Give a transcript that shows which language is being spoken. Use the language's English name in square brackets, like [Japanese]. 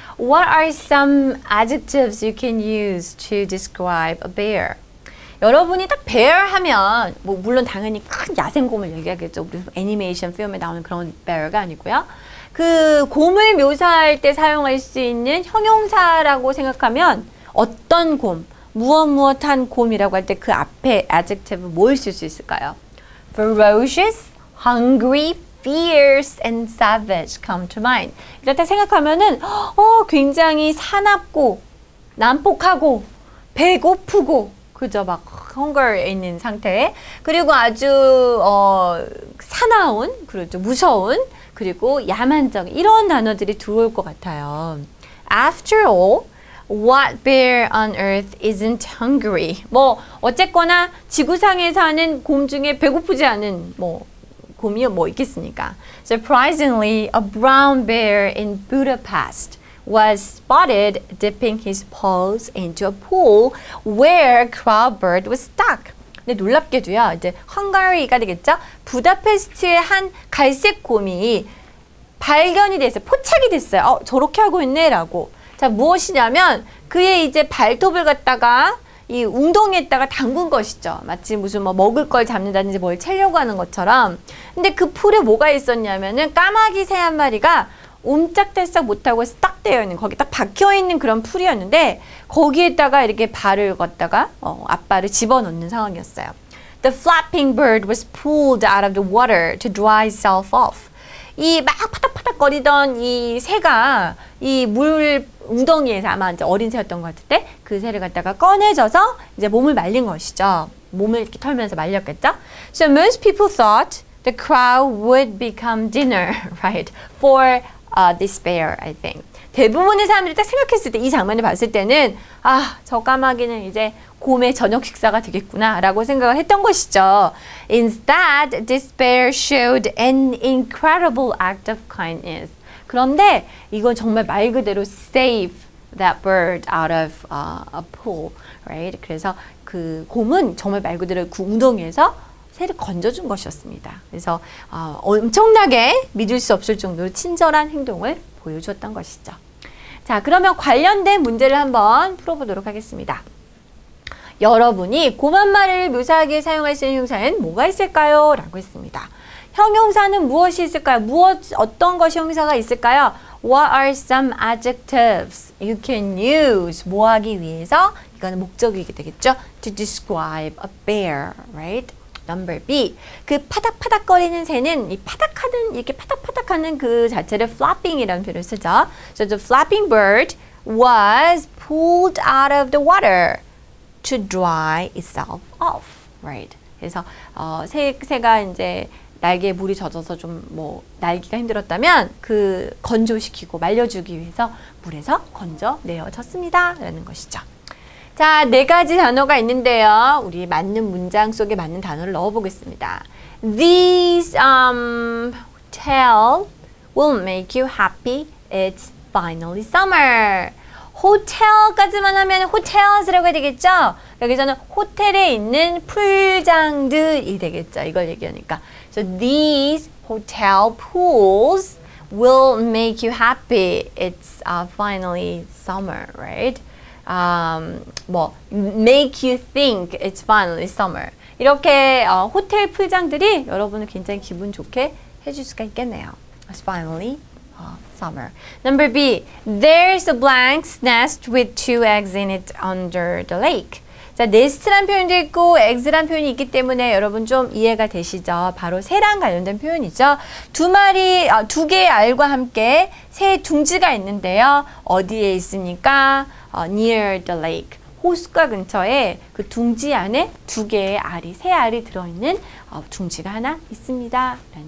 [English] What are some adjectives you can use to describe a bear? [Korean] 여러분이 딱 bear 하면 뭐 물론 당연히 큰 야생곰을 얘기하겠죠. 우리 애니메이션 필름에 나오는 그런 bear가 아니고요. 그 곰을 묘사할 때 사용할 수 있는 형용사라고 생각하면 어떤 곰, 무엇무엇한 곰이라고 할 때 그 앞에 adjective 뭘 쓸 수 있을까요? [English] Ferocious, hungry, fierce, and savage come to mind. [Korean] 이렇게 생각하면은 굉장히 사납고 난폭하고 배고프고 그죠? 막 hunger에 있는 상태에 그리고 아주 사나운, 그렇죠? 무서운 그리고 야만적 이런 단어들이 들어올 것 같아요. [English] After all, what bear on earth isn't hungry? [Korean] 뭐 어쨌거나 지구상에 사는 곰 중에 배고프지 않은 뭐 곰이요 뭐 있겠습니까? [English] Surprisingly, a brown bear in Budapest was spotted dipping his paws into a pool where a crowbird was stuck. [Korean] 근데 놀랍게도요, 이제 헝가리가 되겠죠? 부다페스트의 한 갈색 곰이 발견이 됐어요. 포착이 됐어요. 저렇게 하고 있네 라고. 자, 무엇이냐면 그의 이제 발톱을 갖다가 이 웅덩이에다가 담근 것이죠. 마치 무슨 뭐 먹을 걸 잡는다든지 뭘 채려고 하는 것처럼. 근데 그 풀에 뭐가 있었냐면은 까마귀 새 한 마리가 옴짝달싹 못하고 딱 되어 있는 거기 딱 박혀 있는 그런 풀이었는데 거기에다가 이렇게 발을 걷다가 앞발을 집어넣는 상황이었어요. [English] The flapping bird was pulled out of the water to dry itself off. [Korean] 이 막 파닥파닥 거리던 이 새가 이 물 웅덩이에서 아마 이제 어린 새였던 것 같은데 그 새를 갖다가 꺼내줘서 이제 몸을 말린 것이죠. 몸을 이렇게 털면서 말렸겠죠. [English] So most people thought the crow would become dinner, right? For this bear, I think. [Korean] 대부분의 사람들이 딱 생각했을 때 이 장면을 봤을 때는 아, 저 까마귀는 이제 곰의 저녁 식사가 되겠구나 라고 생각을 했던 것이죠. [English] Instead, this bear showed an incredible act of kindness. [Korean] 그런데 이건 정말 말 그대로 [English] save that bird out of a pool, right? [Korean] 그래서 그 곰은 정말 말 그대로 그 웅덩이에서 새를 건져준 것이었습니다. 그래서 엄청나게 믿을 수 없을 정도로 친절한 행동을 보여주었던 것이죠. 자, 그러면 관련된 문제를 한번 풀어보도록 하겠습니다. 여러분이 곰 한 마리를 묘사하기에 사용할 수 있는 형용사는 뭐가 있을까요? 라고 했습니다. 형용사는 무엇이 있을까요? 어떤 것이 형용사가 있을까요? [English] What are some adjectives you can use? [Korean] 뭐 하기 위해서? 이건 목적이게 되겠죠? [English] To describe a bear, right? Number B. [Korean] 그 파닥파닥 거리는 새는 이 파닥하는, 이렇게 파닥파닥 하는 그 자체를 flapping 이라는 표현을 쓰죠. [English] So the flapping bird was pulled out of the water to dry itself off. Right. [Korean] 그래서, 새가 이제 날개에 물이 젖어서 좀 뭐, 날기가 힘들었다면 그 건조시키고 말려주기 위해서 물에서 건져 내어졌습니다. 라는 것이죠. 자, 네 가지 단어가 있는데요. 우리 맞는 문장 속에 맞는 단어를 넣어보겠습니다. [English] These hotel will make you happy. It's finally summer. [Korean] 호텔까지만 하면 hotels라고 해야 되겠죠? 여기서는 호텔에 있는 풀장들이 되겠죠. 이걸 얘기하니까. [English] So these hotel pools will make you happy. It's finally summer, right? Make you think it's finally summer. [Korean] 이렇게 호텔 풀장들이 여러분을 굉장히 기분 좋게 해줄 수가 있겠네요. [English] It's finally summer. Number B, there's a blank's nest with two eggs in it under the lake. [Korean] 자, nest란 표현도 있고 eggs란 표현이 있기 때문에 여러분 좀 이해가 되시죠? 바로 새랑 관련된 표현이죠. 두 개의 알과 함께 새 둥지가 있는데요. 어디에 있습니까? [English] Near the lake. [Korean] 호수가 근처에 그 둥지 안에 두 개의 알이, 새 알이 들어있는 둥지가 하나 있습니다.